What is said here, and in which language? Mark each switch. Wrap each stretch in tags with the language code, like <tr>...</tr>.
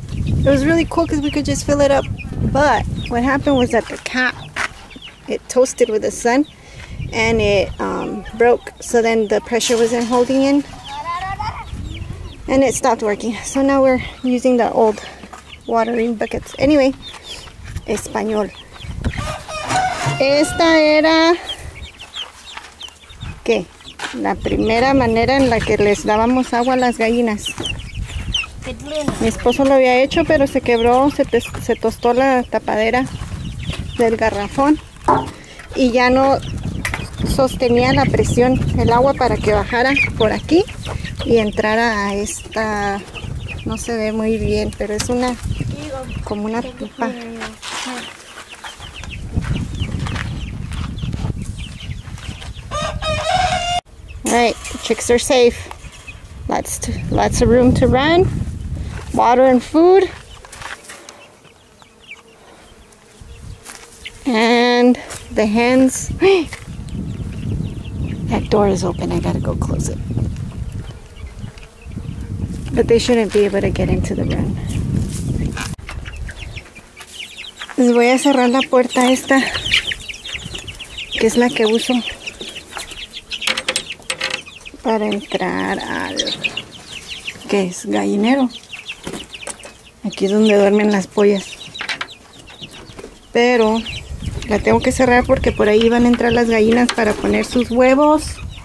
<en>It was really cool because we could just fill it up. But what happened was that the cap, it toasted with the sun. And it broke, so then the pressure wasn't holding in and it stopped working. So now we're using the old watering buckets. Anyway, español.</en> <es>Esta era que la primera manera en la que les dábamos agua a las gallinas. Mi esposo lo había hecho, pero se quebró, se tostó la tapadera del garrafón y ya no sostenía la presión, el agua, para que bajara por aquí y entrara a esta, no se ve muy bien, pero es una, como una pipa.</es> <en>Alright, chicks are safe. Lots of room to run. Water and food. And the hens. That door is open. I gotta go close it. But they shouldn't be able to get into the room.</en> <es>Les voy a cerrar la puerta esta, que es la que uso para entrar al, que es gallinero. aquí es donde duermen las pollas. Pero la tengo que cerrar porque por ahí van a entrar las gallinas para poner sus huevos.</es>